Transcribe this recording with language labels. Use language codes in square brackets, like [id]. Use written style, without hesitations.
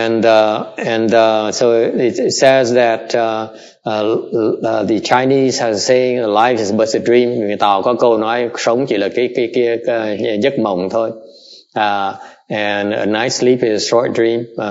[en] So it says that the Chinese are saying life is but a dream. [vi] Người Tàu có câu nói sống chỉ là cái giấc mộng thôi. [en] And a night sleep is a short dream.